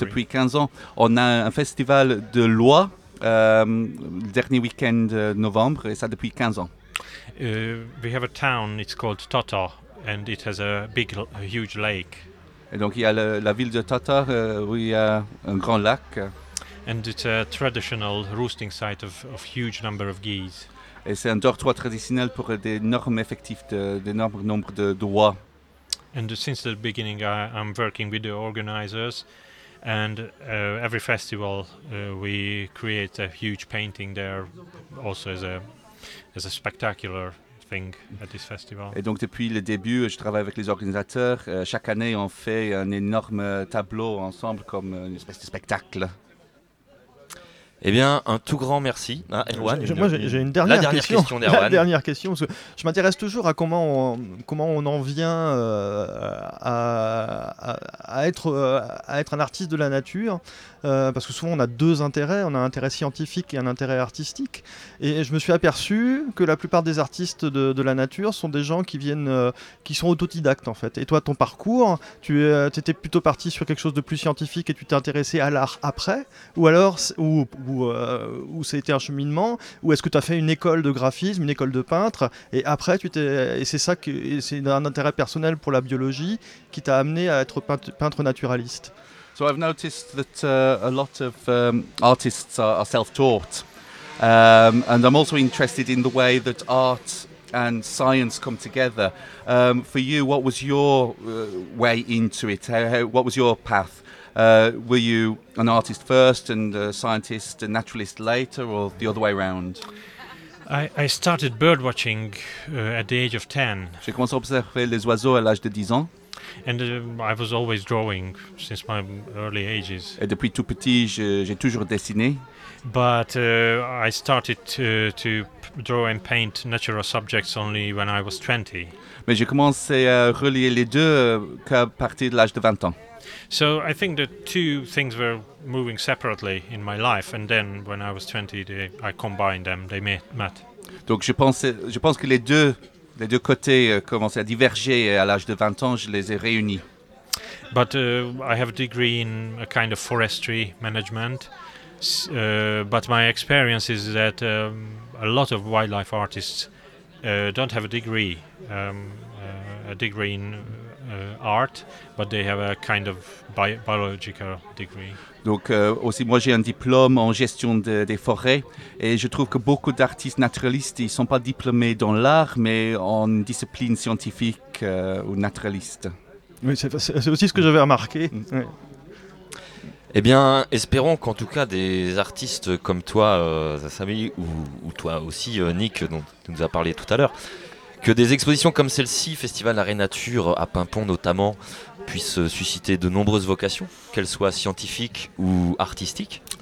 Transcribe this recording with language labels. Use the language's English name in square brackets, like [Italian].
[French] Donc depuis 15 ans, on a un festival de l'oie le dernier weekend de novembre, et ça depuis 15 ans. [English] We have a town, it's called Tata, and it has a huge lake. [French] Et donc il y a la ville de Tata où il y a un grand lac. [English] And it's a traditional roosting site of huge number of geese. [French] Et c'est un dortoir traditionnel pour d'énormes effectifs, d'énormes nombres d'oies. [English] And since the beginning I'm working with the organizers, and every festival we create a huge painting there also as a spectacular thing at this festival. [French] Et donc depuis le début, je travaille avec les organisateurs. Chaque année, on fait un énorme tableau ensemble comme une espèce de spectacle. Eh bien, un tout grand merci à Erwan. J'ai une dernière question. Parce que je m'intéresse toujours à comment on en vient à être un artiste de la nature. Parce que souvent, on a deux intérêts. On a un intérêt scientifique et un intérêt artistique. Et je me suis aperçu que la plupart des artistes de la nature sont des gens qui sont autodidactes, en fait. Et toi, ton parcours, tu étais plutôt parti sur quelque chose de plus scientifique et tu t'es intéressé à l'art après? Ou ça a été un cheminement? Ou est-ce que tu as fait une école de graphisme, une école de peintre? Et après, c'est un intérêt personnel pour la biologie qui t'a amené à être peintre naturaliste? [English] So I've noticed that a lot of artists are self-taught. And I'm also interested in the way that art and science come together. For you, what was your way into it? What was your path? Were you an artist first and a scientist and naturalist later, or the other way around? I started birdwatching at the age of 10. [French] J'ai commencé à observer les oiseaux à l'âge de 10 ans. [English] And I was always drawing since my early ages. [French] Et depuis tout petit, j'ai toujours dessiné. [English] But I started to draw and paint natural subjects only when I was 20. [French] Mais j'ai commencé à relier les deux qu'à partir de l'âge de 20 ans. [English] So I think the two things were moving separately in my life, and then when I was 20, I combined them. They met. [French] Donc je pense que les deux côtés commençaient à diverger, et à l'âge de 20 ans, je les ai réunis. [English] But I have a degree in a kind of forestry management. But my experience is that a lot of wildlife artists don't have a degree in art, but they have a kind of biological degree. [French] Donc aussi moi j'ai un diplôme en gestion des forêts, et je trouve que beaucoup d'artistes naturalistes, ils sont pas diplômés dans l'art mais en discipline scientifique ou naturaliste. Oui, c'est aussi ce que j'avais remarqué. Mm. Ouais. Eh bien, espérons qu'en tout cas des artistes comme toi, Sammy, ou toi aussi, Nick, dont tu nous as parlé tout à l'heure, que des expositions comme celle-ci, Festival Arrêt Nature, à Paimpont notamment, puissent susciter de nombreuses vocations, qu'elles soient scientifiques ou artistiques.